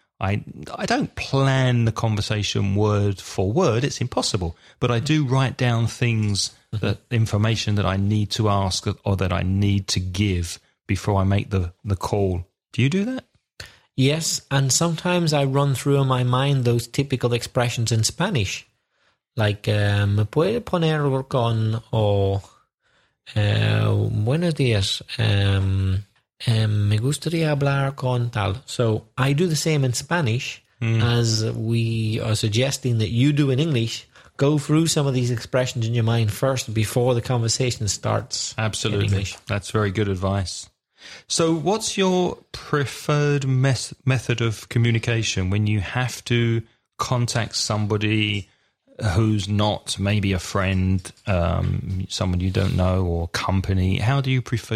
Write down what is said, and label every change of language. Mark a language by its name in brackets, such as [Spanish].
[English] I don't plan the conversation word for word, it's impossible. But I do write down things, that information that I need to ask or that I need to give before I make the call. Do you do that? Yes, and sometimes I run through in my mind those typical expressions in Spanish. [Spanish] Like, me puede poner con, or buenos días, me gustaría hablar con tal. [English] So I do the same in Spanish as we are suggesting that you do in English. Go through some of these expressions in your mind first before the conversation starts. Absolutely. In English. That's very good advice. So what's your preferred method of communication when you have to contact somebody who's not maybe a friend, someone you don't know, or company? How do you prefer?